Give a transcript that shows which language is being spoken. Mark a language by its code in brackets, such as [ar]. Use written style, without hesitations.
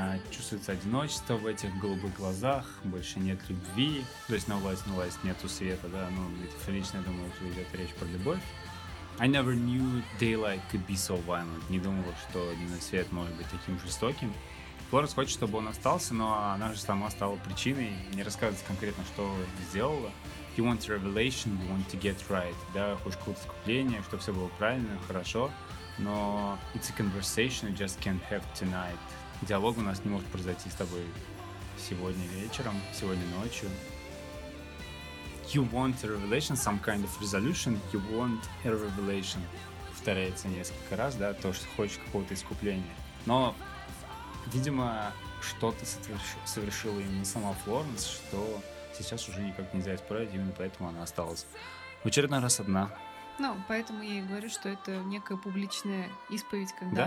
[ru] Чувствуется одиночество в этих голубых глазах, больше нет любви, то есть на власть нету света, да, ну, метафорично, я думаю, что идет речь про любовь. [en] I never knew daylight could be so violent. [ru] Не думал, что дневной свет может быть таким жестоким. Флоренс хочет, чтобы он остался, но она же сама стала причиной. Не рассказывается конкретно, что сделала. [en] You want revelation, you want to get right, [ru] да, хочешь какое-то искупление, чтобы все было правильно, хорошо, но [en] it's a conversation you just can't have tonight. [ru] Диалог у нас не может произойти с тобой сегодня вечером, сегодня ночью. [en] You want a revelation, some kind of resolution. You want a revelation. [ru] Повторяется несколько раз, да, то, что хочешь какого-то искупления. Но, видимо, что-то совершила именно сама Флоренс, что сейчас уже никак нельзя исправить, именно поэтому она осталась в очередной раз одна. Ну, поэтому я и говорю, что это некая публичная исповедь, когда да?